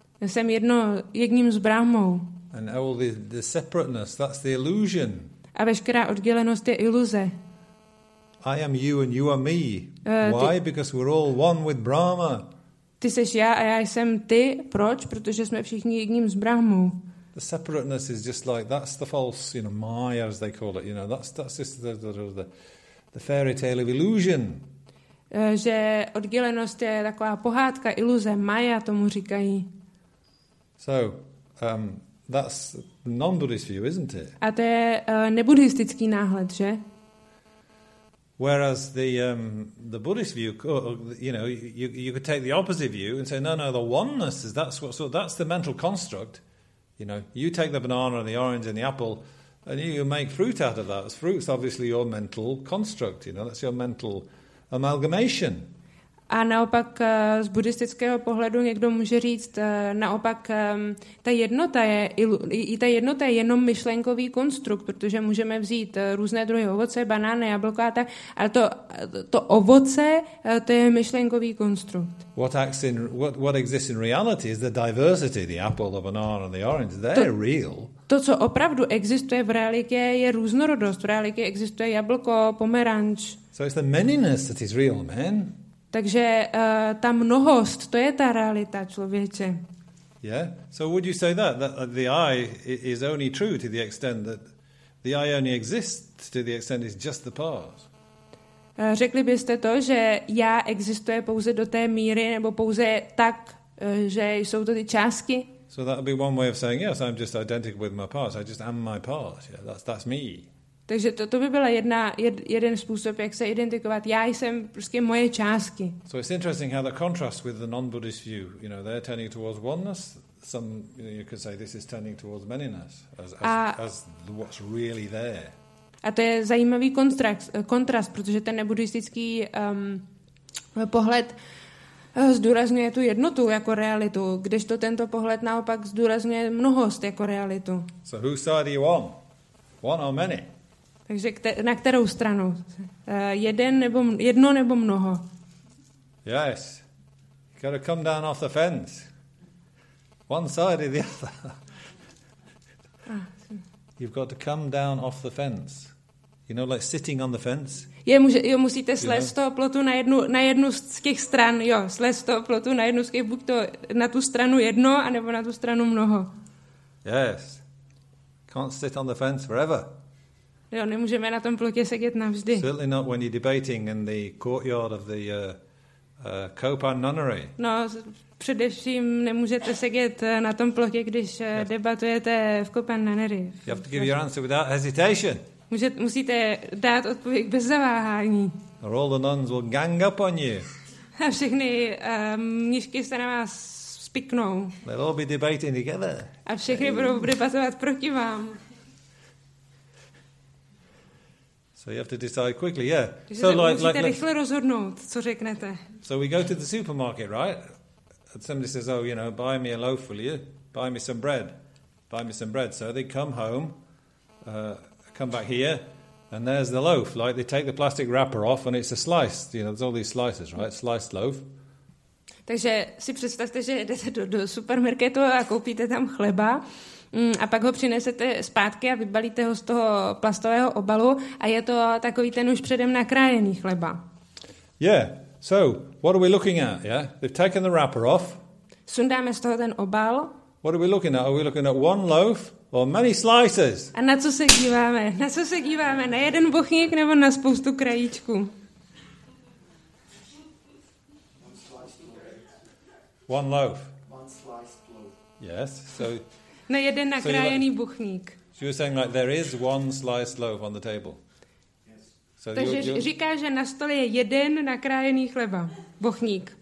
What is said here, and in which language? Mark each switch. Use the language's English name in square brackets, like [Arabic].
[Czech] Jsem jedním s Brahmou. [English] And all the separateness, that's the illusion. [Czech] A veškerá oddělenost je iluze. [English] I am you and you are me. Why? Because we're all one with Brahma. [Czech] Ty seš já a já jsem ty. Proč? Protože jsme všichni jedním s Brahmou. [English] The separateness is just like, that's the false, you know, Maya, as they call it. You know, that's just the fairy tale of illusion. [Czech] Že oddělenost je taková pohádka, iluze, Maya tomu říkají. [English] So, that's non-Buddhist view, isn't it? [Czech] A to je nebuddhistický náhled, že? [English] Whereas the Buddhist view, you know, you could take the opposite view and say, no, the oneness is that's the mental construct. You know, you take the banana and the orange and the apple, and you make fruit out of that. Fruit's obviously your mental construct. You know, that's your mental amalgamation. [Czech] A naopak z buddhistického pohledu někdo může říct, naopak ta jednota je jenom myšlenkový konstrukt, protože můžeme vzít různé druhy ovoce, banány, jablka, ale to ovoce, to je myšlenkový konstrukt. [English] What exists in reality is the diversity, the apple, the banana, the orange, they're real. [Czech] To, co opravdu existuje v realitě, je různorodost. V realitě existuje jablko, pomeranč. [English] So it's the manyness that is real, man. [Czech] Takže ta mnohost, to je ta realita, člověče. [English] Yeah. So would you say that the I is only true to the extent that the I only exists to the extent it's just the part? [Czech] Řekli byste to, že já existuje pouze do té míry nebo pouze tak, že jsou to ty částky? [English] So that would be one way of saying yes, I'm just identical with my part. I just am my part. Yeah, that's me. [Czech] Takže to by byla jeden způsob, jak se identifikovat. Já jsem prostě moje částky. [English] So it's interesting how the contrast with the non-Buddhist view, you know, they're turning towards oneness. Some, you know, you could say this is turning towards manyness as what's really there. [Czech] A to je zajímavý kontrast, protože ten nebuddhistický pohled zdůrazňuje tu jednotu jako realitu, kdežto tento pohled naopak zdůrazňuje mnohost jako realitu. [English] So whose side are you on? One or many? [Czech] Takže na kterou stranu? Jeden nebo jedno nebo mnoho? [English] Yes. You gotta come down off the fence. One side or the other. You've got to come down off the fence. You know, like sitting on the fence. [Czech] Jo, musíte slézt z toho plotu na jednu z těch stran. Jo, slézt z toho plotu na jednu z těch, buď to na tu stranu jedno, anebo na tu stranu mnoho. [English] Yes. Can't sit on the fence forever. [Czech] Jo, nemůžeme na tom plotě sedět navždy. [English] Certainly not when you're debating in the courtyard of the Copan Nunnery. [Czech] No, především nemůžete sedět na tom plotě, když debatujete v Copan Nunnery. [English] You have to give your answer without hesitation. [Czech] Musíte dát odpověď bez zaváhání. [English] Or all the nuns will gang up on you. [Czech] A všechny mnišky se na vás spiknou. [English] They'll all be debating together. [Czech] A všechny budou debatovat proti vám. [English] So you have to decide quickly, yeah. [Czech] Takže [English] so [Czech] musíte rychle rozhodnout, co řeknete. [English] So we go to the supermarket, right? And somebody says, oh, you know, buy me a loaf, will you? Buy me some bread. Buy me some bread. So they come home, come back here, and there's the loaf. Like, they take the plastic wrapper off, and it's a slice. You know, there's all these slices, right? Sliced loaf. [Czech] Takže si představte, že jdete do supermarketu a koupíte tam chleba. A pak ho přinesete zpátky a vybalíte ho z toho plastového obalu a je to takový ten už předem nakrájený chleba. [English] Yeah, so what are we looking at? Yeah, they've taken the wrapper off. [Czech] Sundáme z toho ten obal. [English] What are we looking at? Are we looking at one loaf or many slices? [Czech] A na co se díváme? Na co se díváme? Na jeden bochník nebo na spoustu krajíčků? [English] One loaf. One sliced loaf. Yes, so... [Czech] Na jeden nakrájený buchník. [English] She was saying like there is one sliced loaf on the table. Yes. So [Czech] takže říká, že na stole je jeden nakrájený chleba, buchník.